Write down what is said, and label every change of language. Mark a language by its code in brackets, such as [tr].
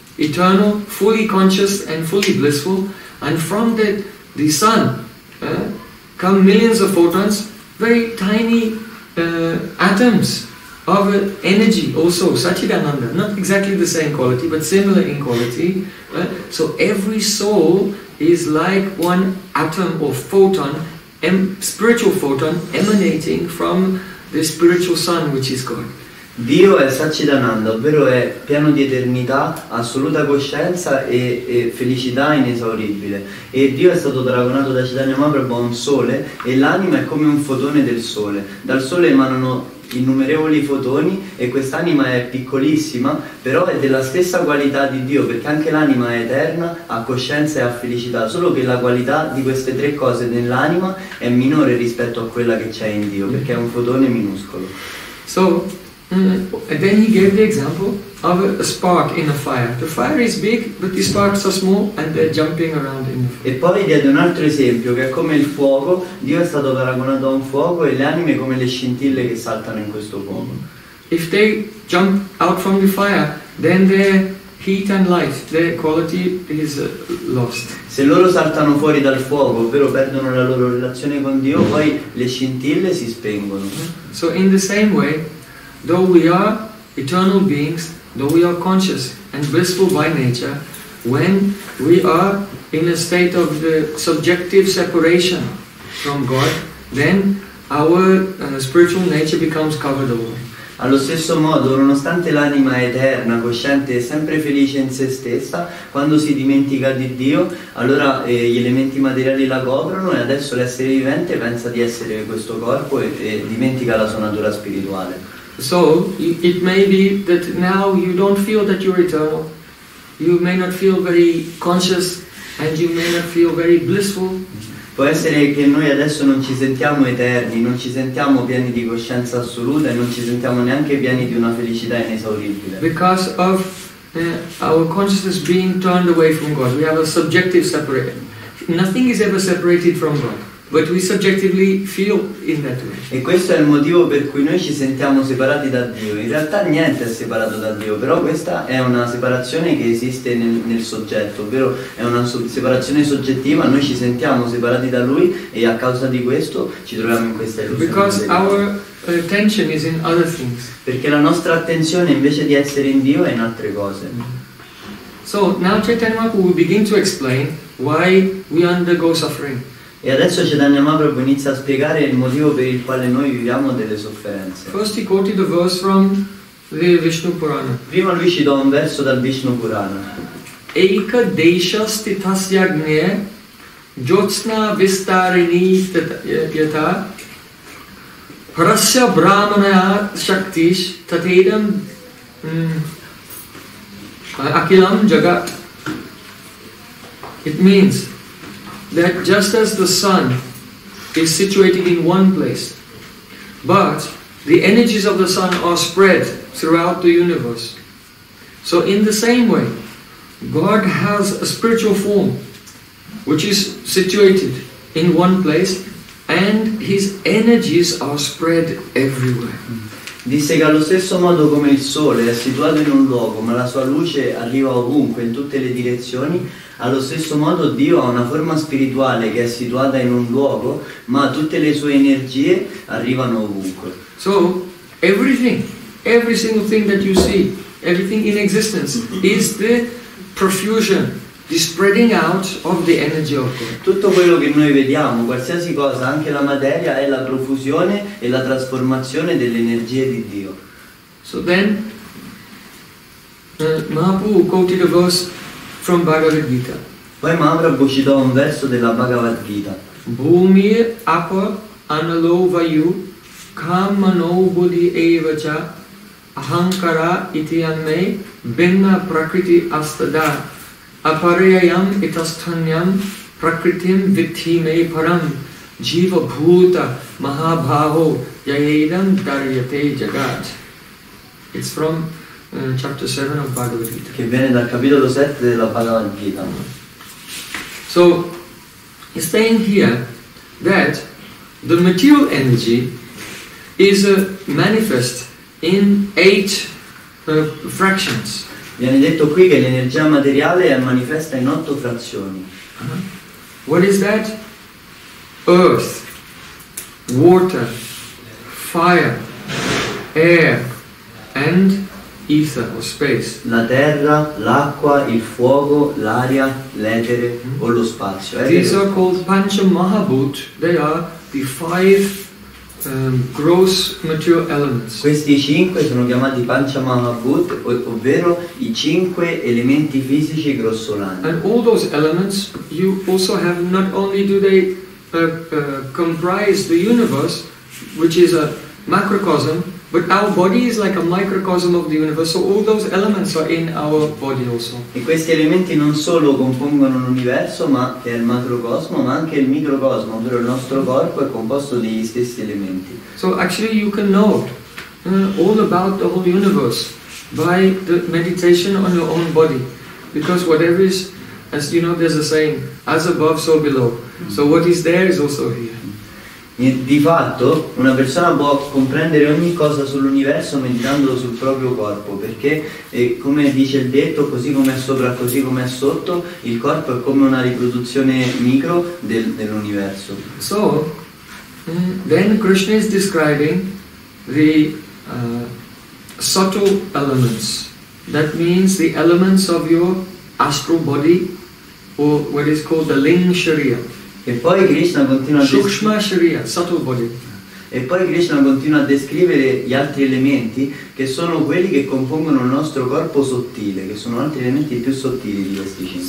[en] Eternal, fully conscious and fully blissful. And from the sun, come millions of photons, very tiny atoms of energy also, Satchidananda, not exactly the same quality, but similar in quality. So every soul is like one atom or photon spiritual photon emanating from the spiritual sun, which is God. [it] Dio è Satchidananda, ovvero è pieno di eternità, assoluta coscienza e felicità inesauribile. E Dio è stato paragonato da Chaitanya Mahaprabhu a un sole, e l'anima è come un fotone del sole. Dal sole emanano innumerevoli fotoni, e quest'anima è piccolissima, però è della stessa qualità di Dio, perché anche l'anima è eterna, ha coscienza e ha felicità, solo che la qualità di queste tre cose nell'anima è minore rispetto a quella che c'è in Dio, perché è un fotone minuscolo. [en] So, and then he gave the example of a spark in a fire. The fire is big, but the sparks are small and they're jumping around in the fire. [it] E poi diede un altro esempio, che è come il fuoco. Dio è stato paragonato a un fuoco, e le anime come le scintille che saltano in questo fuoco. [en] If they jump out from the fire, then the heat and light, their quality is lost. [it] Se loro saltano fuori dal fuoco, ovvero perdono la loro relazione con Dio, poi le scintille si spengono. [en] So in the same way, though we are eternal beings, though we are conscious and blissful by nature, when we are in a state of the subjective separation from God, then our spiritual nature becomes covered over. [it] Allo stesso modo, nonostante l'anima è eterna, cosciente e sempre felice in se stessa, quando si dimentica di Dio, allora gli elementi materiali la coprono, e adesso l'essere vivente pensa di essere questo corpo e dimentica la sua natura spirituale. [en] So it may be that now you don't feel that you're eternal. You may not feel very conscious, and you may not feel very blissful. [it] Può essere che noi adesso non ci sentiamo eterni, non ci sentiamo pieni di coscienza assoluta, e non ci sentiamo neanche pieni di una felicità inesauribile. [en] Because of our consciousness being turned away from God, we have a subjective separation. Nothing is ever separated from God. But we subjectively feel in that way. [it] E questo è il motivo per cui noi ci sentiamo separati da Dio. In realtà niente è separato da Dio, però questa è una separazione che esiste nel soggetto, ovvero è una separazione soggettiva. Noi ci sentiamo separati da Lui, e a causa di questo ci troviamo in questa illusione. [en] Because our attention is in other things. [it] Perché la nostra attenzione, invece di essere in Dio, è in altre cose. [en] So now Chaitanya will begin to explain why we undergo suffering. [it] E adesso Chaitanya Mahaprabhu inizia a spiegare il motivo per il quale noi viviamo delle sofferenze. [en] First he quoted a verse from the Vishnu Purana. [it] Prima lui ci dà un verso dal Vishnu Purana. [sa] Eka desha stithasya agne jyotsna vistarini yata prasya brahmanaya shaktish tatedam akilam jagat. [en] It means that just as the sun is situated in one place, but the energies of the sun are spread throughout the universe, so in the same way, God has a spiritual form which is situated in one place, and His energies are spread everywhere. [it] Disse che allo stesso modo come il sole è situato in un luogo, ma la sua luce arriva ovunque, in tutte le direzioni, allo stesso modo Dio ha una forma spirituale che è situata in un luogo, ma tutte le sue energie arrivano ovunque. [en] So, every single thing that you see, everything in existence, is the profusion, the spreading out of the energy of God. [it] Tutto quello che noi vediamo, qualsiasi cosa, anche la materia, è la profusione e la trasformazione delle energie di Dio. [en] So then, Mahaprabhu quoted a verse from Bhagavad Gita. [it] Poi Mahaprabhu citò un verso della Bhagavad Gita. [sa] Bhumi apa analo vayu kamano buddhi evacha ahankara iti anme bhinna prakriti astada aparyayam itasthanyam prakritim vithime param jiva bhuta mahabhaho yayedam daryate jagat. [en] It's from chapter 7 of Bhagavad Gita. [it] Che viene dal capitolo 7 della Bhagavad Gita. [en] So, he's saying here that the material energy is manifest in 8 fractions. [it] Viene detto qui che l'energia materiale è manifesta in 8 frazioni. [en] Uh-huh. What is that? Earth, water, fire, air, and ether or space. [it] La terra, l'acqua, il fuogo, l'aria, l'etere o lo spazio. [en] These are called Pancha Mahabhut. They are the five gross material elements. [it] Questi cinque sono chiamati Pancha Mahabhut, ovvero i cinque elementi fisici grossolani. [en] And all those elements, you also have. Not only do they comprise the universe, which is a macrocosm, but our body is like a microcosm of the universe, so all those elements are in our body also. [it] E questi elementi non solo compongono l'universo, ma che è il macrocosmo, ma anche il microcosmo, ovvero il nostro corpo è composto degli stessi elementi. [en] So actually you can know all about the whole universe by the meditation on your own body, because whatever is, as you know, there's a saying, as above so below, so what is there is also here. [it] Di fatto una persona può comprendere ogni cosa sull'universo meditando sul proprio corpo, perché come dice il detto, così come è sopra, così come è sotto, il corpo è come una riproduzione micro dell'universo. [en] So then Krishna is describing the subtle elements. That means the elements of your astral body, or what is called the Ling Sharia. [it] E poi Krishna continua a [en] Sukshma Sharia, subtle body. [it] E poi Krishna continua a descrivere gli altri elementi che sono quelli che compongono il nostro corpo sottile, che sono altri elementi più sottili di questi cinque.